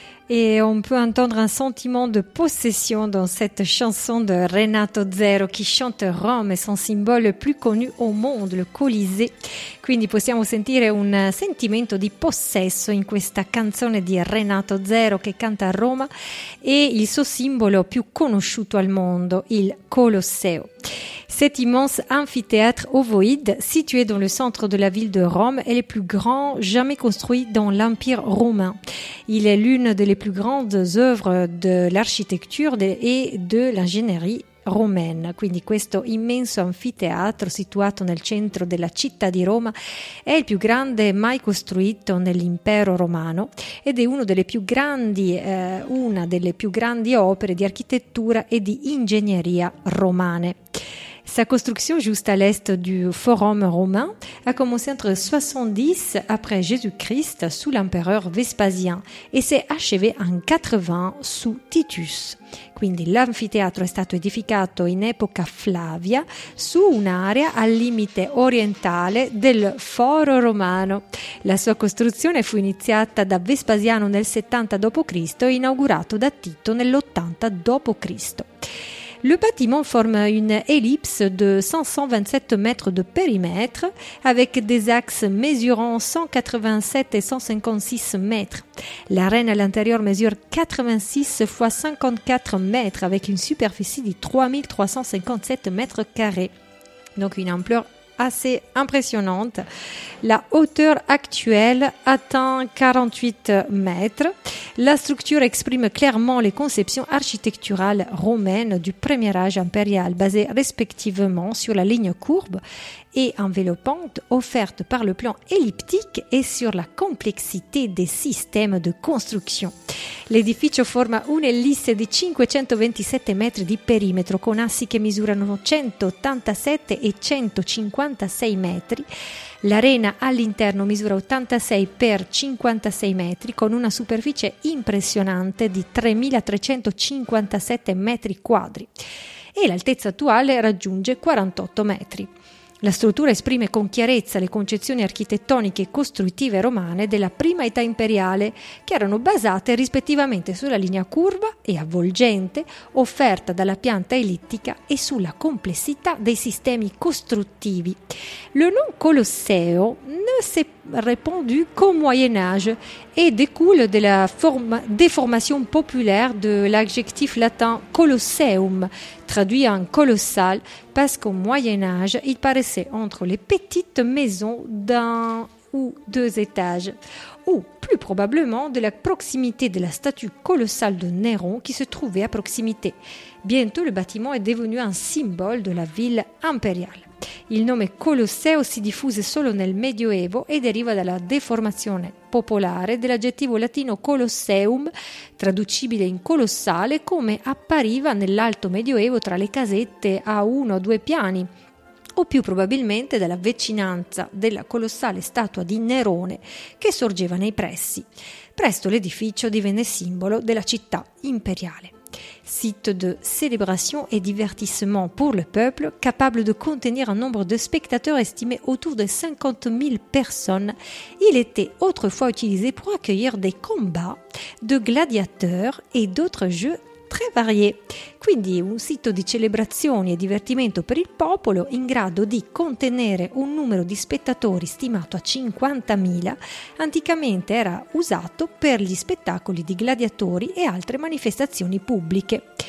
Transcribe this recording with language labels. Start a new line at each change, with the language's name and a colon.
French: Et on peut entendre un sentiment de possession dans cette chanson de Renato Zero qui chante Rome et son symbole le plus connu au monde, le Colisée.
Italian: Quindi possiamo sentire un sentimento di possesso in questa canzone di Renato Zero che canta Roma e il suo simbolo più conosciuto al mondo, il Colosseo.
French: Cet immense amphithéâtre ovoïde, situé dans le centre de la ville de Rome, est le plus grand jamais construit dans l'Empire romain. Il est l'une des plus grandes œuvres de l'architecture et de l'ingénierie romaine.
Italian: Quindi questo immenso anfiteatro situato nel centro della città di Roma è il più grande mai costruito nell'impero romano ed è uno delle più grandi, una delle più grandi opere di architettura e di ingegneria romane.
French: Sa construction juste à l'est du Forum romain a commencé entre 70 après Jésus-Christ sous l'empereur Vespasien et s'est achevée en 80 sous Titus.
Italian: Quindi l'anfiteatro è stato edificato in epoca Flavia su un'area al limite orientale del Foro Romano. La sua costruzione fu iniziata da Vespasiano nel 70 d.C. e inaugurato da Tito nell'80 d.C.
French: Le bâtiment forme une ellipse de 527 mètres de périmètre avec des axes mesurant 187 et 156 mètres. L'arène à l'intérieur mesure 86 fois 54 mètres avec une superficie de 3357 mètres carrés. Donc une ampleur assez impressionnante. La hauteur actuelle atteint 48 mètres. La structure exprime clairement les conceptions architecturales romaines du premier âge impérial, basées respectivement sur la ligne courbe et enveloppante offerte par le plan elliptique et sur la complexité des systèmes de construction.
Italian: L'edificio forma un'ellisse di 527 metri di perimetro con assi che misurano 187 e 156 metri. L'arena all'interno misura 86 per 56 metri con una superficie impressionante di 3.357 metri quadri e l'altezza attuale raggiunge 48 metri. La struttura esprime con chiarezza le concezioni architettoniche e costruttive romane della prima età imperiale, che erano basate rispettivamente sulla linea curva e avvolgente offerta dalla pianta ellittica e sulla complessità dei sistemi costruttivi.
French: Le nom Colosseo ne s'est répandu qu'au Moyen Âge et découle de la déformation populaire de l'adjectif latin colosseum, traduit en colossal, parce qu'au Moyen Âge, il paraissait entre les petites maisons d'un ou deux étages, ou plus probablement de la proximité de la statue colossale de Néron qui se trouvait à proximité. Bientôt, le bâtiment est devenu un symbole de la ville impériale.
Italian: Il nome Colosseo si diffuse solo nel Medioevo e deriva dalla deformazione popolare dell'aggettivo latino colosseum, traducibile in colossale, come appariva nell'alto Medioevo tra le casette a uno o due piani, o più probabilmente dalla vicinanza della colossale statua di Nerone che sorgeva nei pressi. Presto l'edificio divenne simbolo della città imperiale.
French: Site de célébration et divertissement pour le peuple, capable de contenir un nombre de spectateurs estimé autour de 50 000 personnes, il était autrefois utilisé pour accueillir des combats de gladiateurs et d'autres jeux très variés.
Italian: Quindi un sito di celebrazioni e divertimento per il popolo in grado di contenere un numero di spettatori stimato a 50.000, anticamente era usato per gli spettacoli di gladiatori e altre manifestazioni pubbliche.